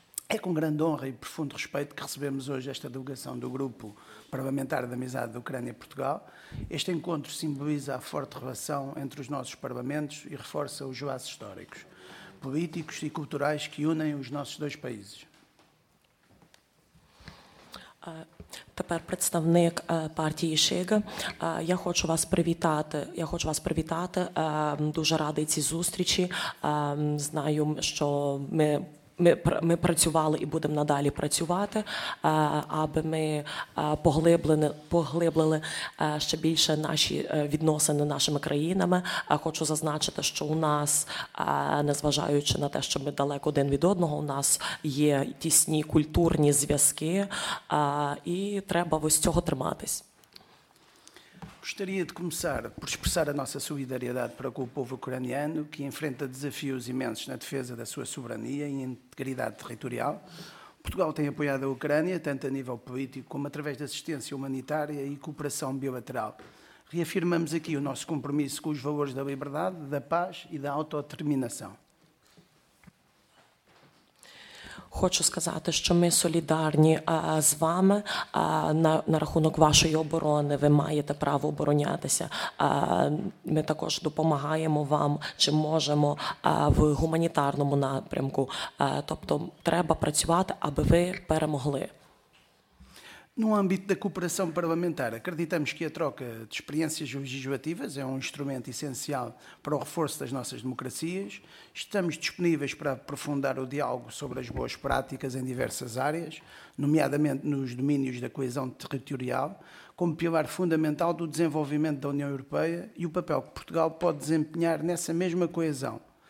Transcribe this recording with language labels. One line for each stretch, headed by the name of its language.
Portuguese: É com grande honra e profundo respeito que recebemos hoje esta delegação do Grupo Parlamentar de Amizade da Ucrânia-Portugal. Este encontro simboliza a forte relação entre os nossos parlamentos e reforça os laços históricos, políticos e culturais que unem os nossos dois países.
Ukrainian: Тепер представник партії Шига. Я хочу вас привітати. Дуже радий цій зустрічі. Знаю, що ми працювали і будемо надалі працювати, аби ми поглиблили ще більше наші відносини з нашими країнами. Хочу зазначити, що у нас, незважаючи на те, що ми далеко один від одного, у нас є тісні культурні зв'язки, і треба ось цього триматись.
Portuguese: Gostaria de começar por expressar a nossa solidariedade para com o povo ucraniano, que enfrenta desafios imensos na defesa da sua soberania e integridade territorial, Portugal tem apoiado a Ucrânia, tanto a nível político como através de assistência humanitária e cooperação bilateral. Reafirmamos aqui o nosso compromisso com os valores da liberdade, da paz e da autodeterminação.
Ukrainian: Хочу сказати, що ми солідарні з вами на рахунок вашої оборони. Ви маєте право оборонятися. Ми також допомагаємо вам, чи можемо в гуманітарному напрямку. Тобто треба працювати, аби ви перемогли.
Portuguese: No âmbito da cooperação parlamentar, acreditamos que a troca de experiências legislativas é um instrumento essencial para o reforço das nossas democracias. Estamos disponíveis para aprofundar o diálogo sobre as boas práticas em diversas áreas, nomeadamente nos domínios da coesão territorial, como pilar fundamental do desenvolvimento da União Europeia e o papel que Portugal pode desempenhar nessa mesma coesão.